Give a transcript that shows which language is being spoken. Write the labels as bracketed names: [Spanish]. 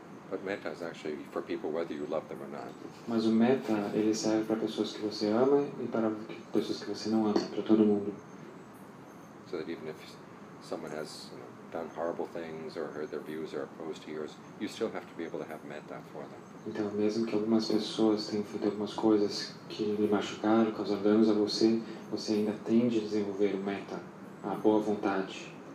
[English] But metta is actually for people whether you love them or not. [Portuguese] Mas o metta ele serve para pessoas que você ama e para pessoas que você não ama, para todo mundo. [English] So that even if someone has done horrible things or heard their views are opposed to yours, you still have to be able to have metta for them. [Portuguese] Então, mesmo que algumas pessoas tenham feito algumas coisas que lhe machucaram, causaram danos a você, você ainda tem de desenvolver o metta, a boa vontade.